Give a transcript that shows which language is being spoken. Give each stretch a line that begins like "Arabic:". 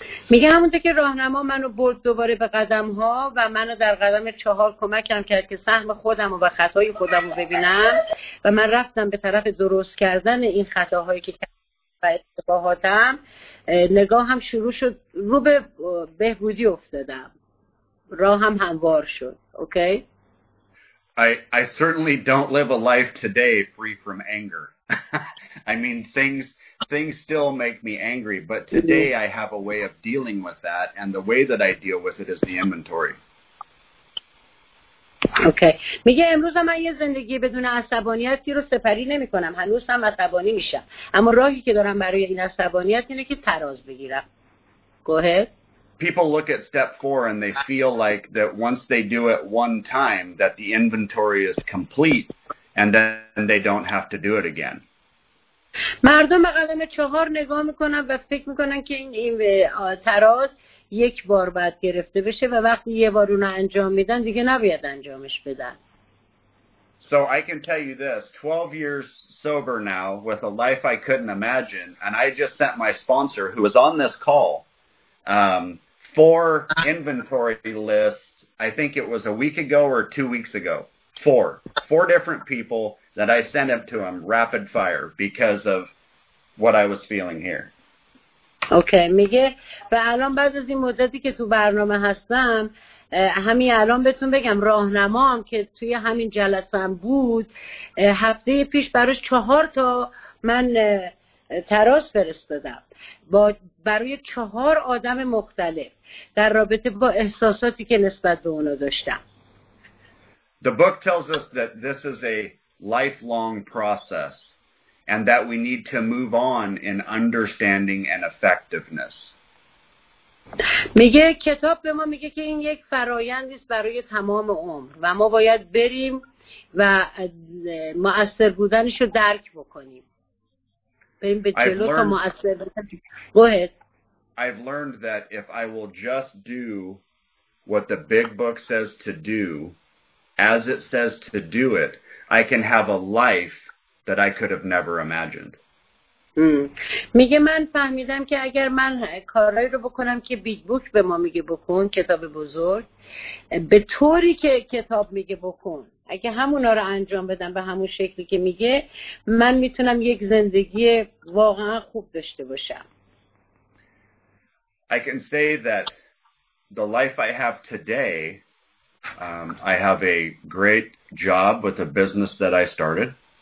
Persian: میگه همونطه که راهنما منو برد دوباره به قدمها و منو در قدم 4 کمکم کرد که سهم خودم و خطای خودم رو ببینم و من رفتم به طرف درست کردن این خطاهایی که کردم. و اتفاقاتم نگاه هم شروع شد رو به بهبودی افتادم راه هم هموار شد اوکی
English: I certainly don't live a life today free from anger I mean things still make me angry but today I have a way of dealing with that and the way that I deal with it is the inventory
Persian: اوکی میگه امروز من یه زندگی بدون عصبانیتی رو سپری نمی کنم، هنوز هم عصبانی میشم، اما راهی که دارم برای این عصبانیت اینه که تراز بگیرم.
English: Go ahead. People look at step four and they feel like that once they do it one time that the inventory is complete and then they don't have to do it again.
Persian: مردم به قلم چهار نگاه میکنن و فکر میکنن که این تراز یک بار باید گرفته بشه و وقتی یه بار اونو انجام میدن دیگه نباید انجامش بدن.
English: So I can tell you this, 12 years sober now with a life I couldn't imagine, and I just sent my sponsor who was on this call four inventory lists, I think it was a week ago or 2 weeks ago, four different people that I sent up to him rapid fire because of what I was feeling here.
Persian: اوکی میگه و الان بعد از این مدتی که تو برنامه هستم همین الان بهتون بگم راهنمام که توی همین جلسه‌ام بود هفته پیش براش 4 من تراز فرستادم با برای 4 آدم مختلف در رابطه با احساساتی که نسبت به اونا داشتم.
English: The book tells us that this is a lifelong process and that we need to move on in understanding and effectiveness.
Persian: میگه کتاب به ما میگه که این یک فرایندی است برای تمام عمر و ما باید بریم و مؤثر بودنشو درک بکنیم. بریم به جلو تا مؤثر بشیم.
English: Go ahead. I've learned that if I will just do what the big book says to do, as it says to do it, I can have a life that I could have never imagined.
Persian: میگه من فهمیدم که اگر من کارهایی رو بکنم که بیگ بوک به ما میگه بکن، کتاب بزرگ، به طوری که کتاب میگه بکن، اگه همونا رو انجام بدم به همون شکلی که میگه، من میتونم یک زندگی واقعا خوب داشته باشم.
English: I can say that the life I have today, I have a great job with a business that I started.